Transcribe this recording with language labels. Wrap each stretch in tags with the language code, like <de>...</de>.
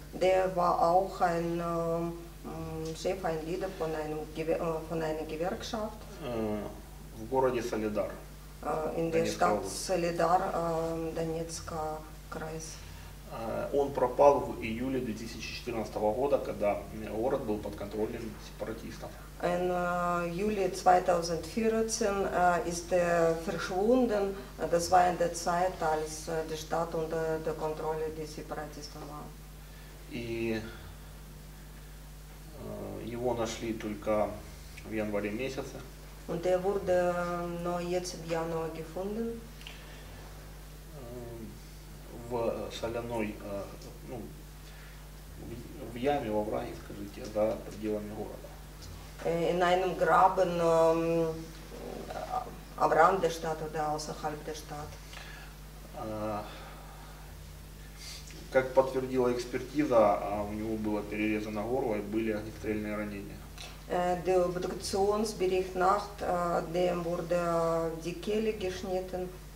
<de>Der war auch ein Chef, ein Leader von einem, von einer Gewerkschaft.</de> <ru>В городе Солидар.</ru> <de>In der Stadt Solidar,</de> <ru>Донецкий край. Он пропал в июле 2014 года, когда город был под контролем сепаратистов.</ru> <de>In Juli 2014 ist er verschwunden. Das war in der Zeit, als die Stadt unter der Kontrolle der Separatisten war.</de> <ru>И его нашли только в январе месяце.</ru> <de>Und er wurde nur jetzt im Januar gefunden.</de> <ru>В соляной, ну, в яме, во враге, скажите, за пределами города.</ru> <de>In einem Graben am Rand der Stadt oder außerhalb der Stadt.</de> <ru>Как подтвердила экспертиза, у него было перерезано горло и были огнестрельные ранения.</ru> <de>Der Obduktionsbericht nach dem wurde die Kehle geschnitten.</de>